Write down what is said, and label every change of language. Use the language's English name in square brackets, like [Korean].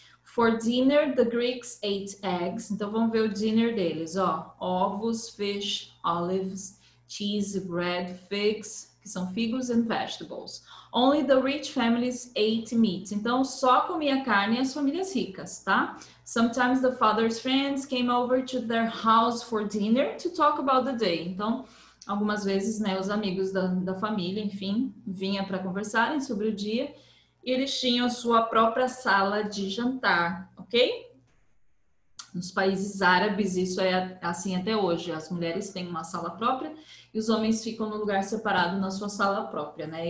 [English] For dinner, the Greeks ate eggs. [Portuguese] Então, vamos ver o dinner deles, ó. Ovos, [English] fish, olives, cheese, bread, figs, [Portuguese] que são figos [English] and vegetables. Only the rich families ate meat. [Portuguese] Então, só comia carne as famílias ricas, tá? [English] Sometimes the father's friends came over to their house for dinner to talk about the day. [Portuguese] Então, algumas vezes, né, os amigos da família, enfim, vinha para conversarem sobre o dia. E eles tinham a sua própria sala de jantar, ok? Nos países árabes, isso é assim até hoje. As mulheres têm uma sala própria e os homens ficam no lugar separado na sua sala própria, né?